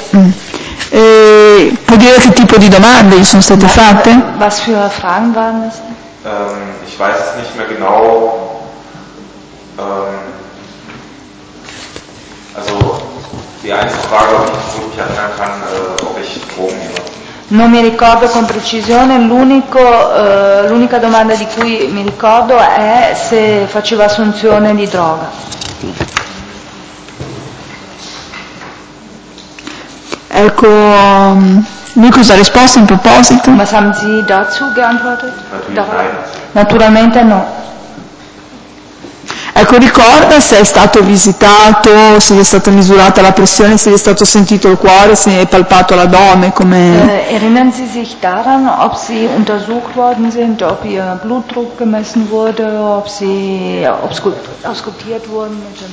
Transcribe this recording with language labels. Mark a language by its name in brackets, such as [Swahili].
[Italian] Può dire che tipo di domande gli sono state fatte? [German] Was für Fragen waren das? Ich weiß es nicht mehr genau, Also die einzige Frage, ob ich mich erinnern kann, ob ich Drogen nehme. [Italian] Non mi ricordo con precisione, l'unica domanda di cui mi ricordo è se faceva assunzione di droga. Ecco, cosa ha risposto in proposito? [German] Was haben Sie dazu geantwortet? [Italian] Naturalmente no. Ecco, ricorda se è stato visitato, se gli è stata misurata la pressione, se gli è stato sentito il cuore, se gli è palpato l'addome, come... [German] Erinnern Sie sich daran, ob Sie untersucht worden sind, ob Ihr Blutdruck gemessen wurde, ob Sie auscultiert wurden?